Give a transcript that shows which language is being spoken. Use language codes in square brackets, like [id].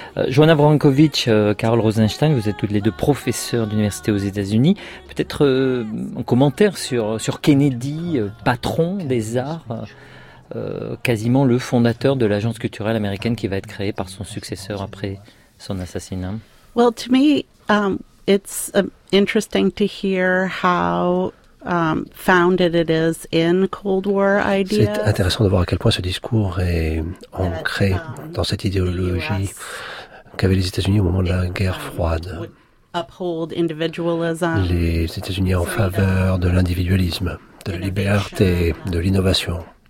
[fr] Joanna Vrankovic, Carol Rosenstein, vous êtes toutes les deux professeurs d'université aux États-Unis. Peut-être un commentaire sur Kennedy, patron des arts. Quasiment le fondateur de l'agence culturelle américaine qui va être créée par son successeur après son assassinat. [en] Well, to me, it's interesting to hear how founded it is in Cold War ideas. [fr] C'est intéressant de voir à quel point ce discours est ancré dans cette idéologie qu'avaient les États-Unis au moment de la guerre froide. [en] uphold individualism. [fr] Les États-Unis en faveur de l'individualisme, de la liberté, de l'innovation.